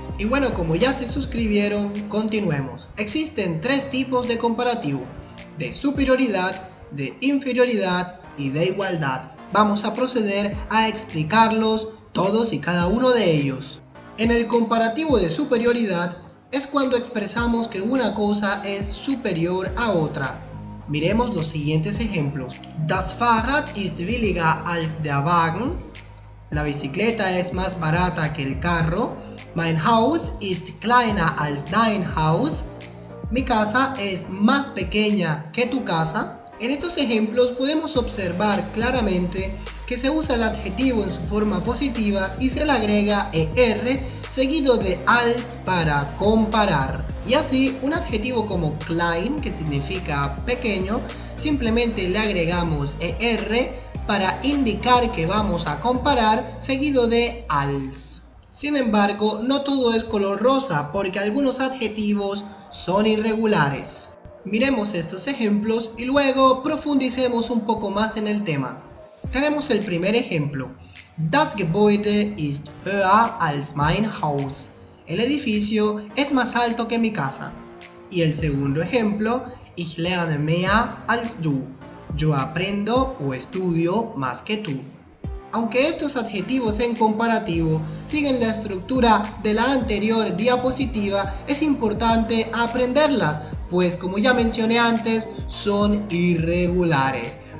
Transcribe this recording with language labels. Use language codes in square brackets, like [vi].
[es] Y bueno, como ya se suscribieron, continuemos. Existen tres tipos de comparativo: de superioridad, de inferioridad y de igualdad. Vamos a proceder a explicarlos todos y cada uno de ellos. En el comparativo de superioridad es cuando expresamos que una cosa es superior a otra. Miremos los siguientes ejemplos. [de] Das Fahrrad ist billiger als der Wagen. [es] La bicicleta es más barata que el carro. [de] Mein Haus ist kleiner als dein Haus. [es] Mi casa es más pequeña que tu casa. En estos ejemplos podemos observar claramente que se usa el adjetivo en su forma positiva y se le agrega er seguido de als para comparar. Y así, un adjetivo como klein, que significa pequeño, simplemente le agregamos er para indicar que vamos a comparar seguido de als. Sin embargo, no todo es color rosa porque algunos adjetivos son irregulares. Miremos estos ejemplos y luego profundicemos un poco más en el tema. Tenemos el primer ejemplo. [de] Das Gebäude ist höher als mein Haus. [es] El edificio es más alto que mi casa. Y el segundo ejemplo. [de] Ich lerne mehr als du. [es] Yo aprendo o estudio más que tú. Aunque estos adjetivos en comparativo siguen la estructura de la anterior diapositiva, es importante aprenderlas, pues como ya mencioné antes, son irregulares.